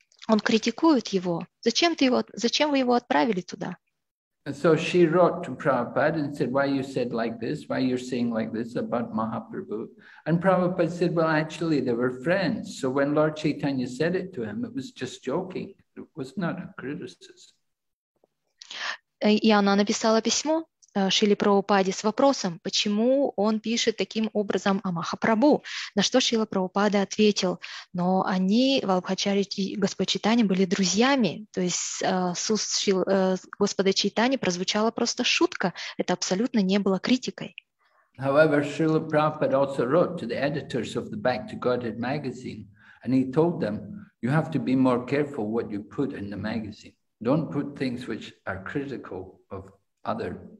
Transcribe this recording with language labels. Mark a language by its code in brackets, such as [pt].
[ru] Он критикует его. Зачем вы его отправили туда? [en] And so she wrote to Prabhupada and said, why you said like this, why you're saying like this about Mahaprabhu? And Prabhupada said, well, actually, they were friends. So when Lord Chaitanya said it to him, it was just joking. It was not a criticism. [ru] И она написала письмо Шриле Прабхупаде с вопросом, почему он пишет таким образом о Махапрабху. На что Шрила Прабхупада ответил: но они, Вабхачари и Господь Чайтанья, были друзьями. То есть с уст Господа Чайтанья прозвучала просто шутка. Это абсолютно не было критикой. [en] However, Шрила Прабхупада also wrote to the editors of the Back to Godhead magazine, and he told them, you have to be more careful what you put in the magazine. Don't put things which are critical of other